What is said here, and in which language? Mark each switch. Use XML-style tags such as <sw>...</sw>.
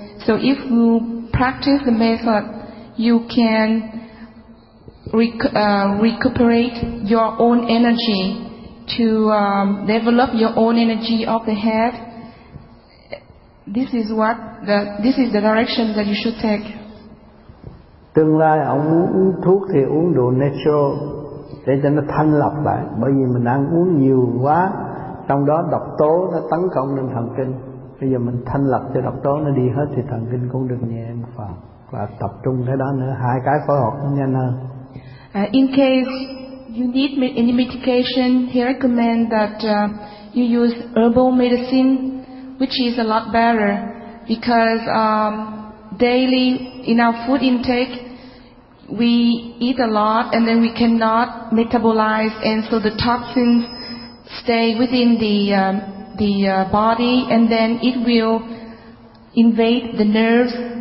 <en>So if you practice the method, you can recuperate your own energy to develop your own energy of the head. This is the direction that you should take.</en> <vi>Tương lai ông muốn uống thuốc thì uống đồ natural để cho nó thanh lọc lại, bởi vì mình ăn uống nhiều quá, trong đó độc tố nó tấn công lên thần kinh. Bây giờ mình thanh lọc cho độc tố nó đi hết thì thần kinh cũng được nhẹ một phần, và tập trung cái đó nữa, hai cái phối hợp nó nhanh hơn.</vi> <en>In case you need any medication, he recommend that you use herbal medicine, which is a lot better, because daily in our food intake, we eat a lot and then we cannot metabolize, and so the toxins stay within the body, and then it will invade the nerves.</en>